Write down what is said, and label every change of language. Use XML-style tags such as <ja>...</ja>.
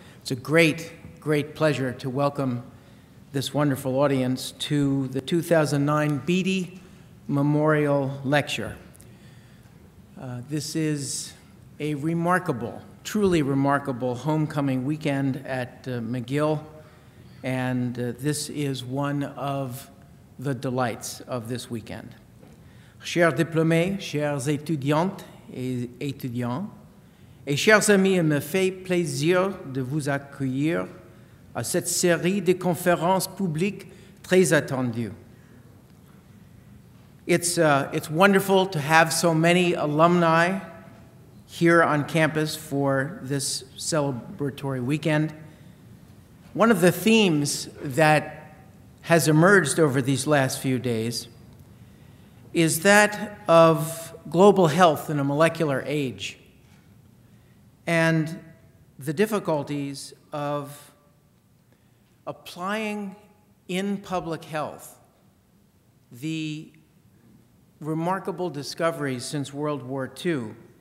<en>It's a great, great pleasure to welcome this wonderful audience to the 2009 Beatty Memorial Lecture. This is a remarkable, truly remarkable homecoming weekend at McGill, and this is one of the delights of this weekend.</en> <fr>Chers diplômés, chers étudiantes et étudiants, et chers amis, il me fait plaisir de vous accueillir à cette série de conférences publiques très attendues.</fr> <en>It's wonderful to have so many alumni here on campus for this celebratory weekend. One of the themes that has emerged over these last few days is that of global health in a molecular age and the difficulties of applying in public health the remarkable discoveries since World War II</en>